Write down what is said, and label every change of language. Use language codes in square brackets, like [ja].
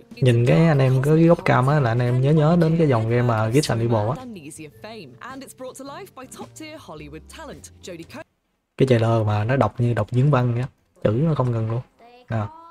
[vi] Nhìn cái anh em có cái góc cam á là anh em nhớ nhớ đến cái dòng game mà Gears and Evil á. [en] And it's brought to life by top tier Hollywood talent Jodie Comer. [vi] Cái trailer mà nó đọc như đọc diễn văn á, chữ nó không ngừng luôn. À.